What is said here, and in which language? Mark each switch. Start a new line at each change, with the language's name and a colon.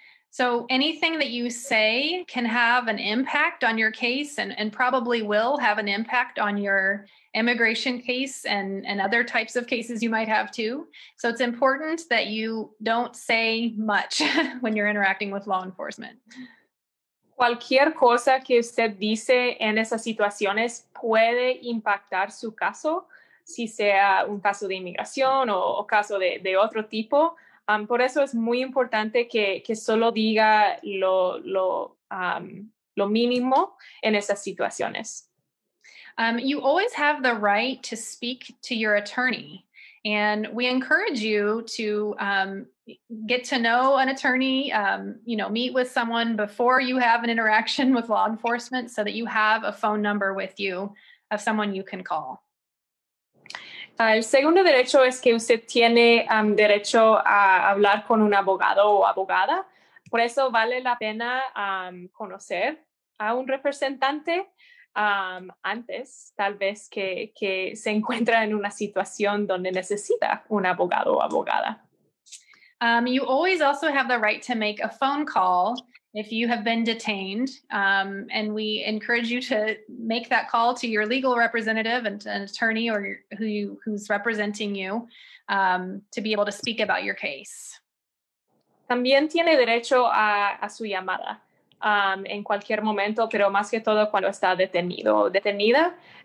English: So anything that you say can have an impact on your case and probably will have an impact on your immigration case and other types of cases you might have too. So it's important that you don't say much when you're interacting with law enforcement.
Spanish: Cualquier cosa que usted dice en esas situaciones puede impactar su caso, si sea un caso de inmigración o caso de otro tipo. Por eso es muy importante que solo diga lo mínimo en esas situaciones.
English: You always have the right to speak to your attorney. And we encourage you to get to know an attorney, meet with someone before you have an interaction with law enforcement so that you have a phone number with you of someone you can call.
Spanish: El segundo derecho es que usted tiene derecho a hablar con un abogado o abogada. Por eso vale la pena conocer a un representante. Antes, tal vez que se encuentra en una situación donde necesita un abogado o abogada.
English: You always also have the right to make a phone call if you have been detained, and we encourage you to make that call to your legal representative and an attorney or who's representing you to be able to speak about your case.
Spanish: También tiene derecho a su llamada. En cualquier momento, pero más que todo cuando está detenido o detenida.